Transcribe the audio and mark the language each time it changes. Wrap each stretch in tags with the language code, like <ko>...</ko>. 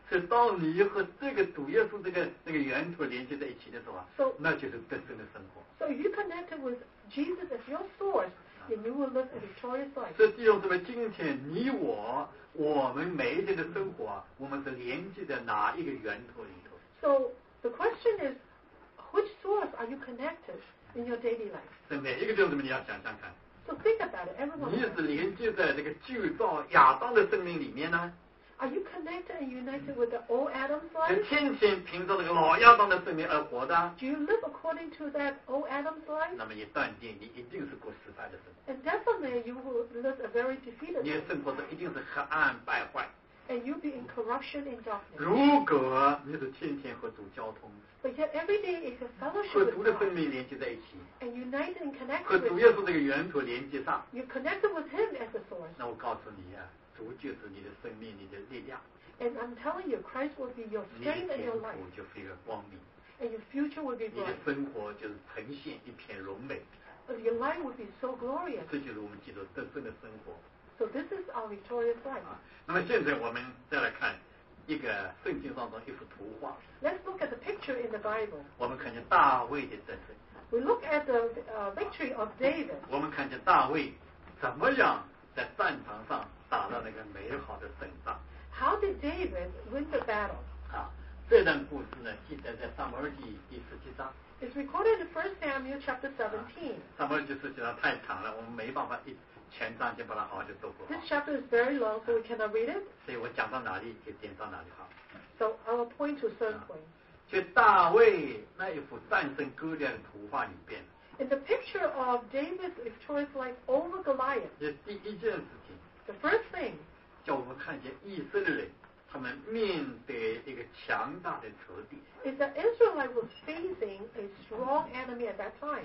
<zh>是到你和这个主耶稣这个那个源头连接在一起的时候啊，</zh> <en>so,</en> <zh>那就是真正的生活。</zh> <en>So if you connected with Jesus as your source, then you will live a victorious life.</en> <zh>所以弟兄姊妹，今天你我，我们每一天的生活，我们是连接在哪一个源头里头？</zh> <en>So the question is, which source are you connected in your daily life?</en> <zh>在每一个弟兄姊妹，你要想想看。</zh> <en>So think about it, everyone.</en> <zh>你是连接在这个旧造亚当的生命里面呢？</zh> <en>Are you connected and united with the old Adam's life?</en> <zh>是天天凭着这个老亚当的生命而活的？</zh> <en>Do you live according to that old Adam's life?</en> <zh>那么你断定你一定是过失败的生活。</zh> <en>And definitely you will live a very defeated life.</en> <zh>你的生活一定是黑暗败坏。</zh> <en>And you'll be in corruption and darkness.</en> <zh>如果你是天天和主交通。</zh> <en>But yet every day is a fellowship with God.</en> <zh>和主的生命连接在一起。</zh> <en>And united and connected.</en> <zh>和主耶稣这个源头连接上。</zh> <en>You're connected with Him as a source.</en> <zh>那我告诉你啊，主就是你的生命，你的力量。</zh> <en>And I'm telling you, Christ will be your strength and your life.</en> <zh>你的前途就非常光明。</zh> <en>And your future will be bright.</en> <zh>你的生活就是呈现一片荣美。</zh> <en>But your life will be so glorious.</en> <zh>这就是我们基督真正的生活。</zh> <en>So this is our victorious life.</en> <zh>那么现在我们再来看。一个圣经当中一幅图画。</zh> <en>Let's look at the picture in the Bible.</en> <zh>我们看见大卫的战胜。</zh> <en>We look at the victory of David.</en> <zh>我们看见大卫怎么样在战场上打了那个美好的胜仗。</zh> <en>How did David win the battle?</en> <zh>啊，这段故事呢记载在撒母耳记第十七章。</zh> <en>It's recorded in 1 Samuel chapter 17.</en> <zh>撒母耳记十七章太长了，我们没办法一。全章就把它好好就读过。</zh> <en>This chapter is very long, so we cannot read it.</en> <zh>所以我讲到哪里就点到哪里哈。</zh> <en>So I will point to certain points.</en> <zh>就大卫那一幅战胜哥利亚的图画里边。</zh> <en>In the picture of David's victorious life over Goliath.</en> <zh>这第一件事情。</zh> <en>The first thing.</en> <zh>叫我们看见以色列人他们面对一个强大的仇敌。</zh> <en>Is that Israelite was facing a strong enemy at that time?</en>